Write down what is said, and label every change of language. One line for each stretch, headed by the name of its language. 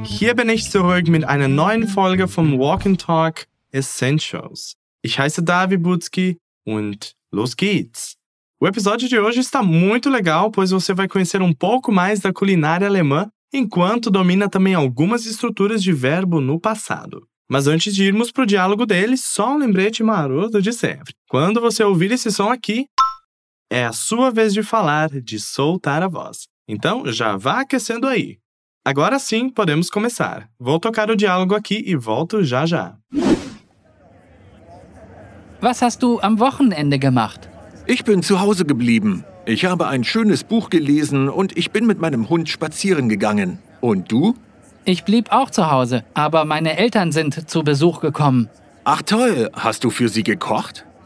German: Hier bin ich zurück mit einer neuen Folge vom Walk and Talk Essentials. Ich heiße David Butzki und los geht's!
Portuguese: O episódio de hoje está muito legal, pois você vai conhecer um pouco mais da culinária alemã, enquanto domina também algumas estruturas de verbo no passado. Mas antes de irmos para o diálogo deles, só um lembrete maroto de sempre. Quando você ouvir esse som aqui, é a sua vez de falar, de soltar a voz. Então, já vá aquecendo aí. Agora sim, podemos começar. Vou tocar o diálogo aqui e volto já já.
German: Was hast du am Wochenende gemacht? Ich bin zu Hause geblieben. Ich habe ein schönes Buch gelesen und ich bin mit meinem Hund spazieren gegangen. Und du? Ich blieb auch zu Hause, aber meine Eltern sind zu Besuch gekommen. Ach toll, hast du für sie gekocht?